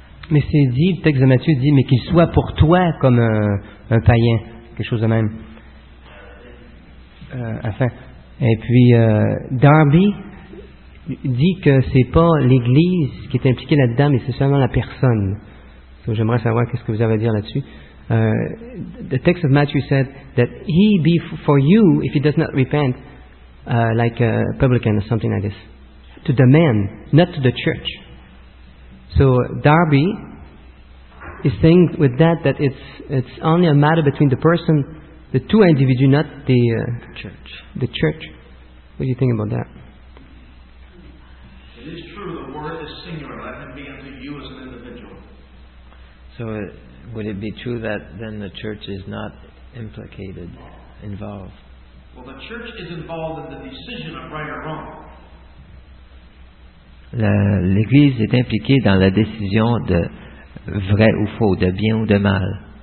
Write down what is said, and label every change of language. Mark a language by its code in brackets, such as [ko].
[fr] Mais c'est dit, le texte de Matthieu dit, mais qu'il soit pour toi comme un païen, quelque chose de même. Enfin, et puis Darby dit que c'est pas l'Église qui est impliquée là-dedans, mais c'est seulement la personne. Donc, j'aimerais savoir qu'est-ce que vous avez à dire là-dessus. [en] The text of Matthew said that he be for you if he does not repent, like a publican or something like this, to the man, not to the church. So Darby is saying with that that it's only a matter between the person. The two individuals, not the church. The church. What do you think about that? It is true. The word is singular. Let him be unto you as an individual. So, would it be true that then the church is not implicated, involved? Well, the church is involved in the decision of right or wrong. [fr] l'Église est impliquée dans la décision de vrai ou faux, de bien ou de mal.